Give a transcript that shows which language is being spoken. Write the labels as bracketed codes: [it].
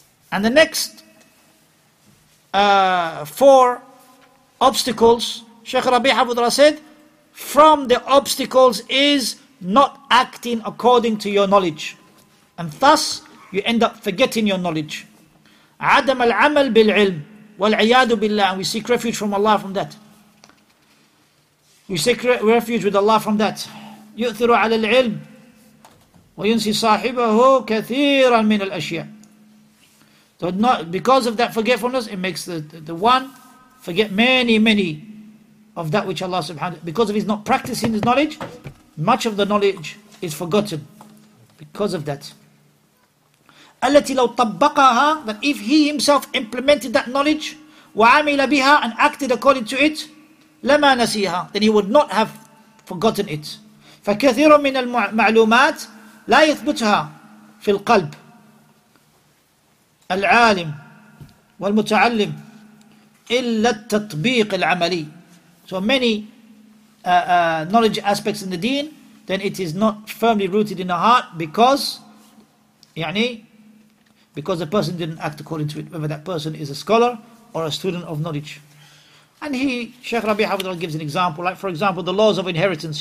[en] And the next four obstacles, Shaykh Rabi Habudra said, from the obstacles is not acting according to your knowledge. And thus, you end up forgetting your knowledge. [ar] عدم العمل بالعلم والعياد بالله. [en] And we seek refuge from Allah from that. We seek refuge with Allah from that. [ar] يؤثر على العلم وينسي صاحبه كثيرا من الأشياء. [en] So not, because of that forgetfulness, it makes the one forget many, many of that which Allah subhanahu wa ta'ala, because if he's not practicing his knowledge, much of the knowledge is forgotten because of that. [ar] التي لو طبقها, [en] that if he himself implemented that knowledge, [ar] وعمل بها, [en] and acted according to it, [ar] لما نسيها, [en] then he would not have forgotten it. [ar] فكثير من المعلومات لا يثبتها في القلب. العالم والمتعلم إلا التطبيق العملي. [en] So many knowledge aspects in the deen, then it is not firmly rooted in the heart because the person didn't act according to it, whether that person is a scholar or a student of knowledge. And he, Sheikh Rabi Hafidullah, gives an example, like for example, the laws of inheritance.